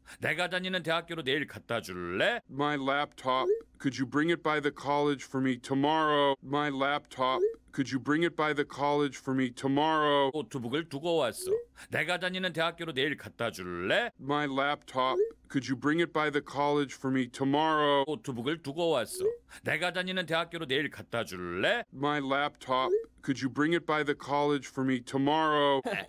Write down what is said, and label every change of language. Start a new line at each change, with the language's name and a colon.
Korean: 내가 다니는 대학교로 내일 갖다 줄래?
English: My laptop. Could you bring it by the college for me tomorrow? My laptop. Could you bring it by the college for me tomorrow?
Korean: 노트북을 두고 왔어. 내가 다니는 대학교로 내일 갖다 줄래?
English: My laptop. Could you bring it by the college for me tomorrow?
Korean: 노트북을 두고 왔어. 내가 다니는 대학교로 내일 갖다 줄래?
English: My laptop. Could you bring it by the college for me tomorrow?